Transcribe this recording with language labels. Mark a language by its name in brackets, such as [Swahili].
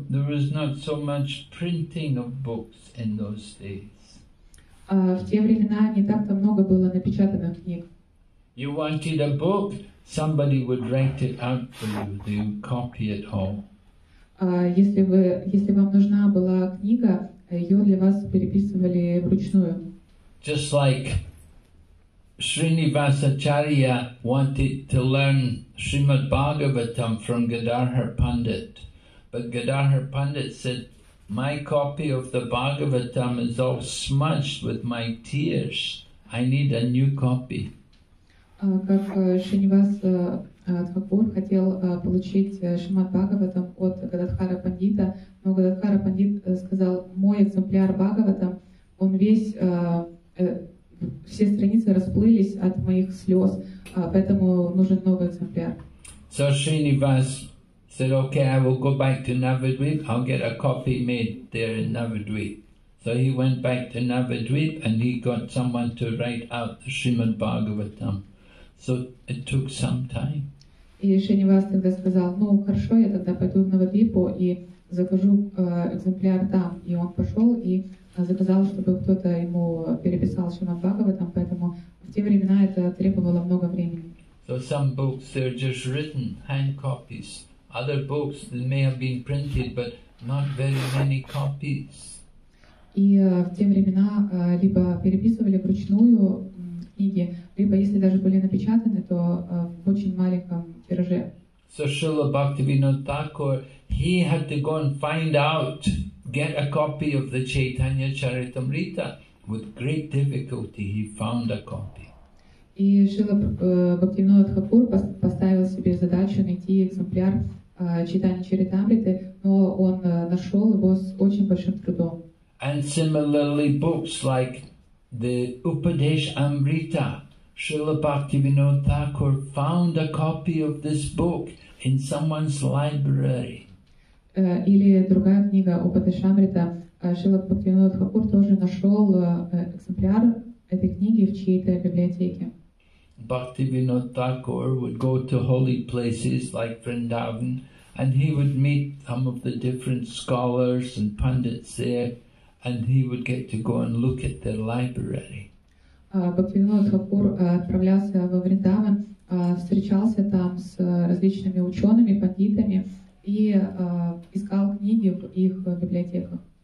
[English] there was not so much printing of books in those days. [Russian] В те времена не так-то много было напечатанных книг. [English] You wanted a book, somebody would write it out for you, they would copy it home. [Russian] Если вам нужна была книга, ее для вас переписывали вручную. [English] Just like Srinivasacharya wanted to learn Srimad Bhagavatam from Gadadhar Pandit, but Gadadhar Pandit said, "My copy of the Bhagavatam is all smudged with my tears. I need a new copy." [Russian] Как Шринивас Тхакур хотел получить Шримад Бхагаватам от Гададхара Пандита, но Гададхара Пандит сказал, мой экземпляр Бхагаватам, он весь, все страницы расплылись от моих слез, поэтому нужен новый экземпляр. [English] So Shrinivas said, okay, I will go back to Navadvip, I'll get a copy made there in Navadvip. So he went back to Navadvip and he got someone to write out the Shrimad Bhagavatam. So it took some time. [Russian] И Шринивас тогда сказал, ну хорошо, я тогда пойду в Навадвипу и закажу экземпляр там. И он пошел и заказал, чтобы кто-то ему переписал Шримад Бхагаватам, поэтому в те времена это требовало много времени. [English] So some books, they're just written, hand copies. Other books, they may have been printed, but not very many copies. [Russian] И в те времена либо переписывали вручную книги, либо если даже были напечатаны, то в очень маленьком тираже. [English] So Srila Bhaktivinoda Thakur, he had to go and find out, get a copy of the Chaitanya Charitamrita. With great difficulty, he found a copy. [Russian] И Шрила Бхактивинода Тхакур поставил себе задачу найти экземпляр Чайтанья Чаритамриты, но он нашел его с очень большим трудом. [English] And similarly, books like the Upadesh Amrita, Srila Bhaktivinoda Thakur found a copy of this book in someone's library. [Russian] Или другая книга Упадеш Амрита, Шрила Бхактивинода Тхакур тоже нашел экземпляр этой книги в чьей-то библиотеке. [English] Bhaktivinoda Thakur would go to holy places like Vrindavan, and he would meet some of the different scholars and pundits there, and he would get to go and look at their library. [Russian] Бхактивинода Тхакур отправлялся во Вриндаван, встречался там с различными учеными, пандитами, и искал книги в их библиотеках.